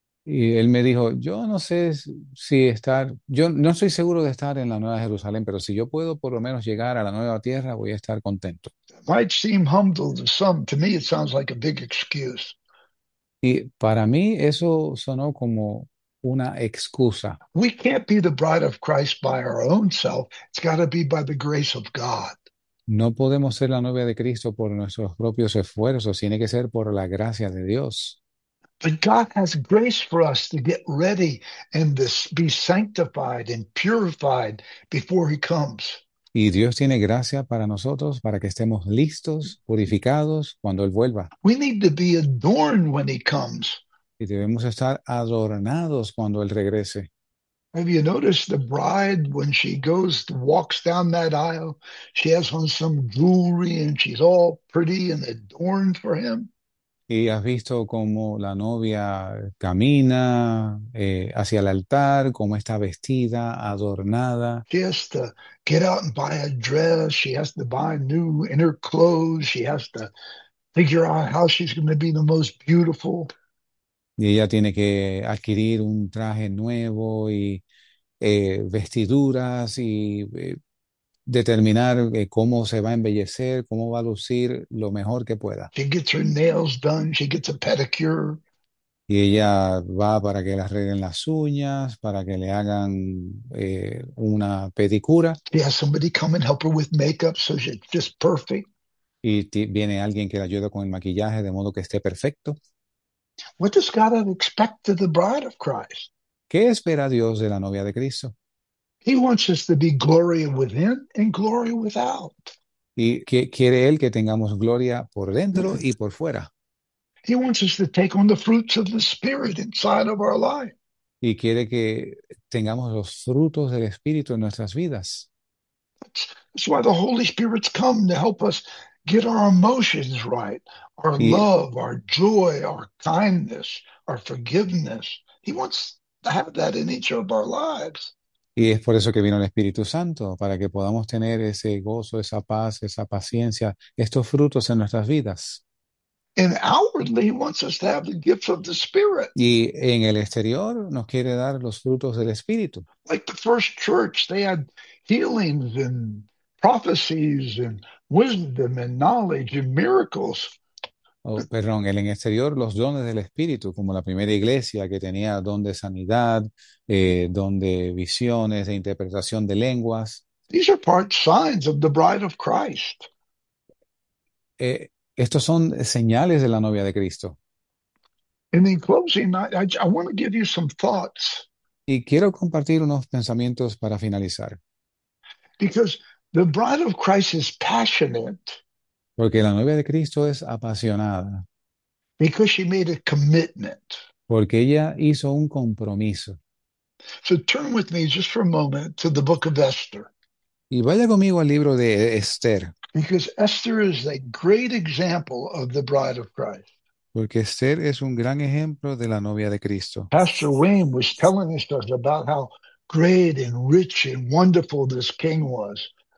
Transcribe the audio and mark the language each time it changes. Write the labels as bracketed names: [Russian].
[Spanish] Y él me dijo, yo no sé si estar, yo no estoy seguro de estar en la Nueva Jerusalén, pero si yo puedo por lo menos llegar a la nueva tierra, voy a estar contento. [English] It might seem humble to some. To me, it sounds like a big excuse. [Spanish] Y para mí eso sonó como una excusa. [English] We can't be the bride of Christ by our own self. It's got to be by the grace of God. [Spanish] No podemos ser la novia de Cristo por nuestros propios esfuerzos, tiene que ser por la gracia de Dios. [English] But God has grace for us to get ready and this be sanctified and purified before he comes. [Spanish] Y Dios tiene gracia para nosotros para que estemos listos, purificados cuando Él vuelva. [English] We need to be adorned when he comes. [Spanish] Y debemos estar adornados cuando Él regrese. [English] Have you noticed the bride when she goes, walks down that aisle, she has on some jewelry and she's all pretty and adorned for him? [Spanish] Y has visto cómo la novia camina hacia el altar, cómo está vestida, adornada. [English] She has to get out and buy a dress. She has to buy new inner clothes. She has to figure out how she's going to be the most beautiful. [Spanish] Y ella tiene que adquirir un traje nuevo y vestiduras y determinar cómo se va a embellecer, cómo va a lucir lo mejor que pueda. [English] She gets her nails done. She gets a pedicure. [Spanish] Y ella va para que le arreglen las uñas, para que le hagan una pedicura. [English] She has somebody come and help her with makeup so she's just perfect. [Spanish] Y viene alguien que le ayude con el maquillaje de modo que esté perfecto. [English] What does God have expected of the bride of Christ? [Spanish] ¿Qué espera Dios de la novia de Cristo? [English] He wants us to be glory within and glory without. [Spanish] ¿Y qué quiere Él que tengamos gloria por dentro y por fuera? [English] He wants us to take on the fruits of the Spirit inside of our life. [Spanish] ¿Y quiere que tengamos los frutos del Espíritu en nuestras vidas? [English] That's why the Holy Spirit's come to help us get our emotions right, our [Spanish] Y [English] love, our joy, our kindness, our forgiveness. He wants to have that in each of our lives. [Spanish] Es por eso que vino el Espíritu Santo, para que podamos tener ese gozo, esa paz, esa paciencia, estos frutos en nuestras vidas. [English] And outwardly, he wants us to have the gifts of the Spirit. [Spanish] Y en el exterior nos quiere dar los frutos del Espíritu. [English] Like the first church, they had healings and prophecies and wisdom and knowledge and miracles. [Spanish] Oh, perdón, en el exterior los dones del Espíritu, como la primera iglesia que tenía don de sanidad, don de visiones, de interpretación de lenguas. [English] These are part signs of the bride of Christ. [Spanish] Estos son señales de la novia de Cristo. [English] And in closing, I want to give you some thoughts. [Spanish] Y quiero compartir unos pensamientos para finalizar. [English] Because the bride of Christ is passionate [Spanish] Porque la novia de Cristo es apasionada. [English] because she made a commitment. [Spanish] Porque ella hizo un compromiso. [English] So turn with me just for a moment to the book of Esther. [Spanish] Y vaya conmigo al libro de Esther. [English] Because Esther is a great example of the bride of Christ. [Spanish] Porque Esther es un gran ejemplo de la novia de Cristo. [English] Pastor Wayne was telling us about how great and rich and wonderful this king was.